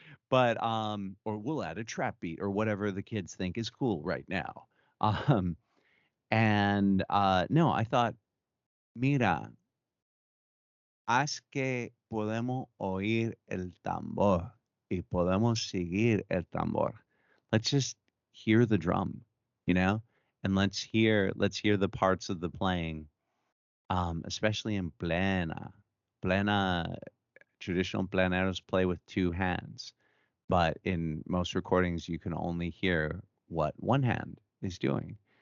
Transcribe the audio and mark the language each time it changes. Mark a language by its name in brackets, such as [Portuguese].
[English] Or we'll add a trap beat or whatever the kids think is cool right now. No, I thought, [Spanish] mira, haz que podemos oír el tambor y podemos seguir el tambor. [English] Let's just hear the drum, you know, and let's hear the parts of the playing, especially in plena. Traditional pleneros play with two hands, but in most recordings you can only hear what one hand is doing.